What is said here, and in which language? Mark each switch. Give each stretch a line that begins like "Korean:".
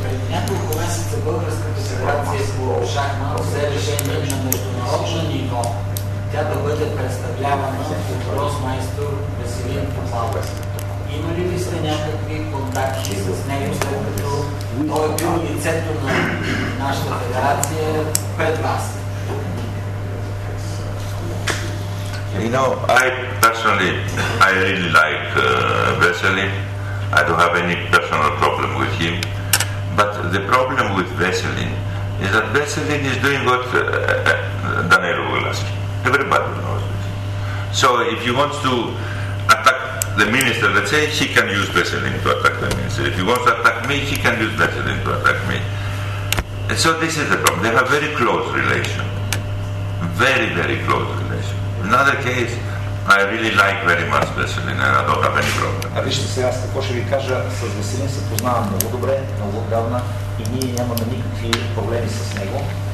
Bulgarian: Няколко месеца Българската федерация по шахмат взе решение на международно ниво тя да бъде представлявана от гросмайстор Веселин Попалов. Имали ли сте някакви контакти с него, след като той е бил лицето на нашата федерация пред вас?
English: You know, I personally, I really like Veselin. I don't have any personal problem with him, But the problem with Veselin is that Veselin is doing what Danilo will ask. Everybody knows this. So if he wants to attack the minister, let's say he can use Veselin to attack the minister. If he wants to attack me, he can use Veselin to attack me. And so this is the problem. They have a very close relation. Very, very close relation. Another case, I really like very much Veselin and I don't have any problem.
Bulgarian: А вижте сега, какво ще ви кажа, с Веселин се познавам много добре, много отдавна и ние нямаме никакви проблеми с него.